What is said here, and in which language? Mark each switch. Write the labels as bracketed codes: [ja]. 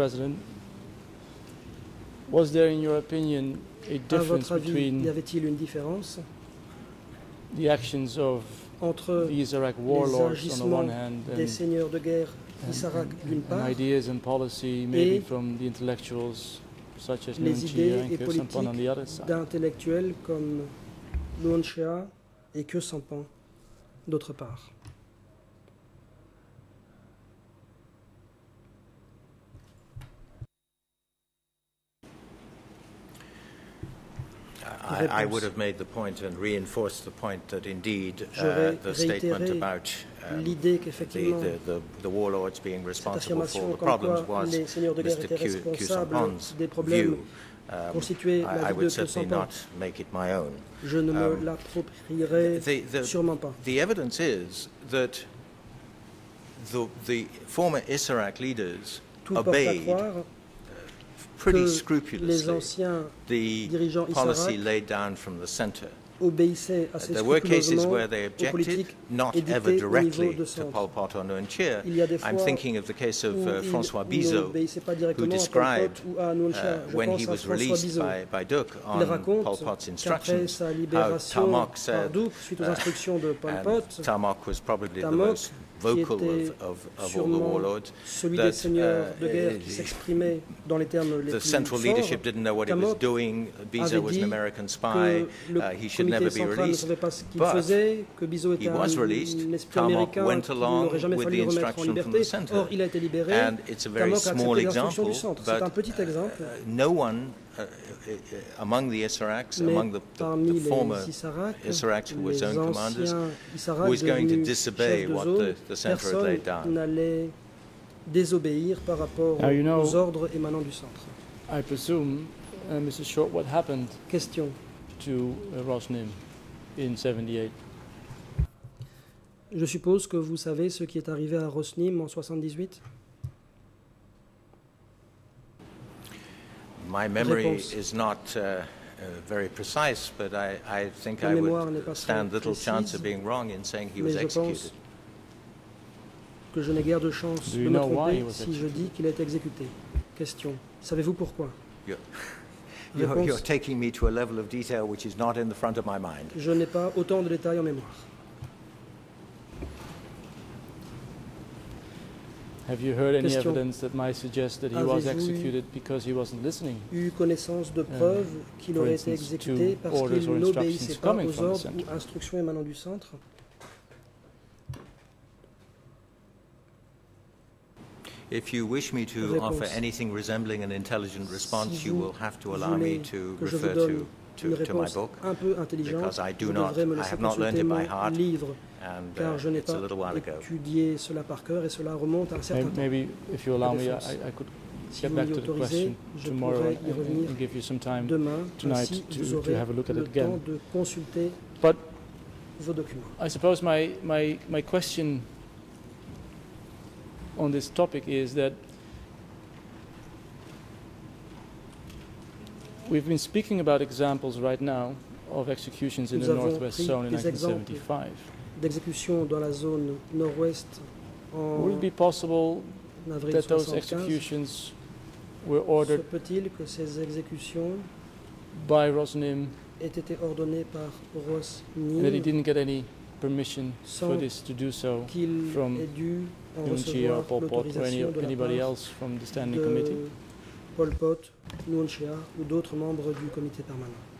[en] President, was there, in your opinion, a difference between [fr] y avait-il une différence [en] the actions of [fr] entre [en] the Issaraks warlords on the one hand and [fr] des seigneurs de guerre Issaraks d'une part, [en] and ideas and policy maybe from the intellectuals such as [fr] les idées et politiques [en] on the other side. [fr] D'intellectuels comme Nguyen Chia et Khieu Samphan, d'autre part. [en] I would have made the point and reinforced the point that indeed the statement about [fr] l'idée qu'effectivement [en] the warlords being responsible for the problems was [fr] les seigneurs de guerre étaient responsables des problèmes constituaient la vie de Khieu Samphan. Je ne me l'approprierai sûrement pas. [en] The evidence is that the former Issaraks leaders obeyed pretty scrupulously [fr] les anciens [en] the policy laid down from the center. [fr] obéissaient assez scrupuleusement aux politiques éditées au niveau de centre. [en] To Pol Pot or Nguyen Chir. [fr] Il y a des fois [en] I'm thinking of the case of François Bizot, who described when he was released by Duc on Pol Pot's instructions, how Tarmac said, [fr] Duc, suite aux instructions de Pol Pot, [en] and Tarmac was probably the most vocal of all the warlords, [fr] celui des seigneurs de guerre qui s'exprimait dans les termes les plus forts. [en] The central leadership didn't know what he was doing. Bizot was an American spy. He should never be released. [fr] Ne savait pas ce qu'il faisait, que Bizot était un espion américain. [en] Tarmac went along with the instruction from the center. [fr] Or, il a été libéré. [en] And it's a very small example. [fr] C'est un petit exemple. [en] No one among the Issaraks, among the former Issaraks, who were zone commanders, Issarak who was going to disobey what the center had laid down. [fr] N'allait désobéir par rapport aux ordres émanant du centre. [en] I presume, Mrs. Short, what happened [fr] Question. [en] To Rosnim in 78? [fr] Je suppose que vous savez ce qui est arrivé à Rosnim en 78. [en] My memory is not very precise, but I think I would stand little chance of being wrong in saying he was executed. [fr] Que je n'ai guère de chance de me tromper si je dis qu'il a été exécuté. Question. Savez-vous pourquoi? [en] You're taking me to a level of detail which is not in the front of my mind. [fr] Je n'ai pas autant de détails en mémoire. [en] Have you heard any evidence that might suggest that he was executed because he wasn't listening? [fr] Eu connaissance de preuves qu'il aurait été exécuté parce qu'il n'obéissait pas aux ordres ou instructions émanant du centre? [en] If you wish me to offer anything resembling an intelligent response, you will have to allow me to refer to my book, [fr] un peu intelligente, [en] because I have not learned it by heart, [fr] livre, [en] and [fr] car je n'ai [en] it's [fr] pas [en] a little while ago. [fr] Étudié cela par cœur et cela remonte à un certain temps. [en] Maybe if you allow me, I could [fr] si [en] get back to the question tomorrow and give you some time [fr] demain, [en] tonight to have a look at it again. [fr] De consulter [en] but [fr] vos documents. [en] I suppose my question on this topic is that we've been speaking about examples right now of executions in the Northwest Zone in 1975. [fr] D'exécution dans la zone nord-ouest en avril 1975. [en] That those executions were ordered [fr] se peut-il que ces exécutions [en] by Rosnim [fr] aient été ordonnées par Rosnim [en] that he didn't get any permission for this to do so from Nguyen Chir or Pol Pot or anybody else from the standing committee? [fr] Pol Pot, Nguyen Chir ou d'autres membres du comité permanent.